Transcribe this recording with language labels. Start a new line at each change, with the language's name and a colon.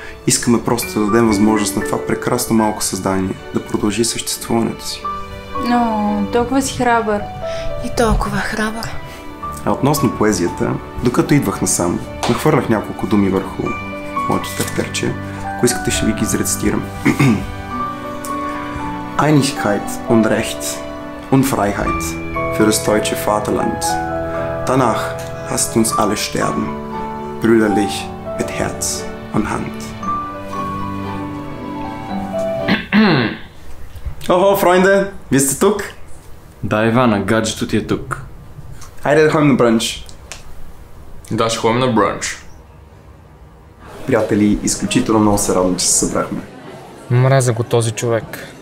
Bulgarian: Искаме просто да дадем възможност на това прекрасно малко създание да продължи съществуването си. Но толкова си храбър. И толкова храбър. А относно поезията, докато идвах насам, нахвърлях няколко думи върху моето тефтерче. Ако искате, ще ви ги изрецитирам.
German: Einigkeit und Recht und Freiheit für das deutsche Vaterland. Danach hast uns alle sterben, brüderlich mit Herz und Hand.
Bulgarian: Охо,
German: Freunde,
Bulgarian: вие сте тук? Да, Ивана, гаджето ти е тук. Хайде да ходим на брънч. Да, ще ходим на брънч. Приятели, изключително много се радвам, че се събрахме. Мразя го този човек.